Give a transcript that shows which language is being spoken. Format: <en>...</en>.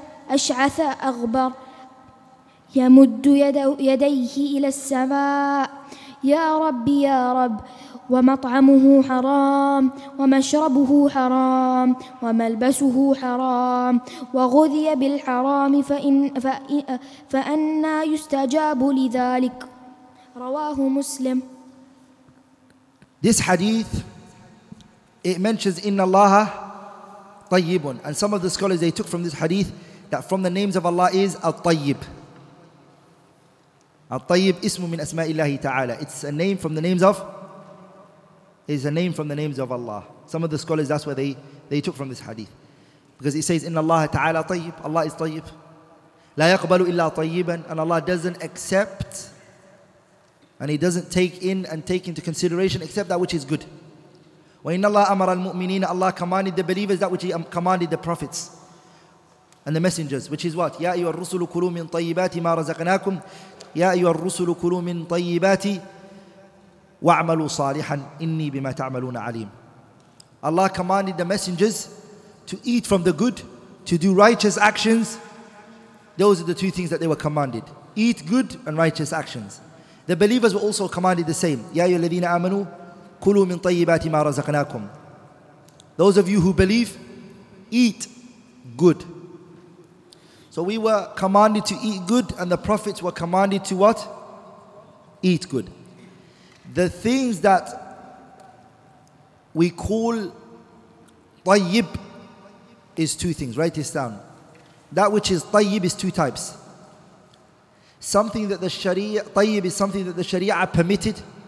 <ar>أشعث أغبر يمد يديه إلى السماء يا ربي يا رب ومطعمه حرام ومشربه حرام وملبسه حرام وغذي بالحرام فأنى يستجاب لذلك رواه مسلم.</ar> <en>This hadith, it mentions</en> <ar>إِنَّ اللَّهَ طَيِّبٌ,</ar> <en>and some of the scholars, they took from this hadith that from the names of Allah is الطيب.</en> <ar>الطيب اسم من أسماء الله تعالى.</ar> <en>It's a name from the names of Allah. Some of the scholars, that's where they took from this hadith. Because it says,</en> <ar>إِنَّ اللَّهَ تَعَالَى طَيِّبٌ,</ar> <en>Allah is طيب.</en> <ar>لَا يَقْبَلُ إِلَّا طَيِّبًا,</ar> <en>and Allah doesn't accept And he doesn't take in and take into consideration except that which is good.</en> <ar>وَإِنَّ اللَّهَ أَمَرَ الْمُؤْمِنِينَ</ar> <en>Allah commanded the believers that which he commanded the prophets and the messengers, which is what?</en> <ar>يَا أَيُّهَا الرُّسُلُ كُلُوا مِن طَيِّبَاتِ مَا رَزَقْنَاكُمْ يَا أَيُّهَا الرُّسُلُ كُلُوا مِن طَيِّبَاتِ وَعْمَلُوا صَالِحًا إِنِّي بِمَا تَعْمَلُونَ عَلِيمٌ</ar> <en>Allah commanded the messengers to eat from the good, to do righteous actions. Those are the two things that they were commanded. Eat good and righteous actions. The believers were also commanded the same.</en> <ar>يَا أَيُّهَا الَّذِينَ آمَنُوا كُلُوا مِن طَيِّبَاتِ مَا رَزَقْنَاكُمْ</ar> <en>Those of you who believe, eat good. So we were commanded to eat good, and the prophets were commanded to what? Eat good. The things that we call طَيِّب is two things. Write this down. That which is طَيِّب is two types. Something that the Sharia, طَيِّب is something that the Sharia permitted.</en>